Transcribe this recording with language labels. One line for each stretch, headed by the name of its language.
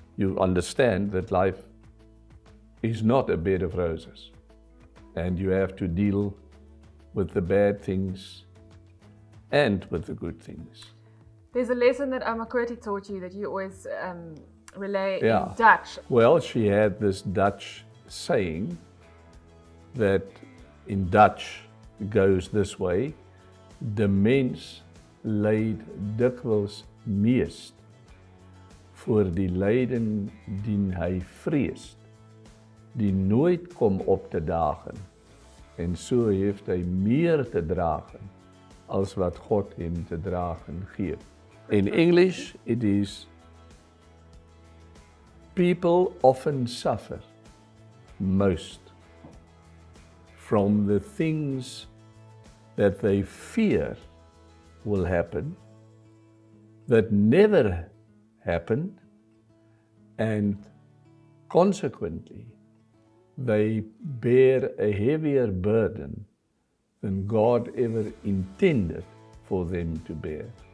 English: You understand that life is not a bed of roses, and you have to deal with the bad things and with the good things. There's a lesson that Amakoti taught you that you always relay in Dutch. Well, she had this Dutch saying that in Dutch goes this way:
Afrikaans: de mens leid dikwels meest voor die lijden die hij vreest, die nooit kom op te dagen, en zo heeft hij meer te dragen als wat God hem te dragen geeft.
English: In English, it is, people often suffer most from the things that they fear will happen, that never happen, and consequently, they bear a heavier burden than God ever intended for them to bear.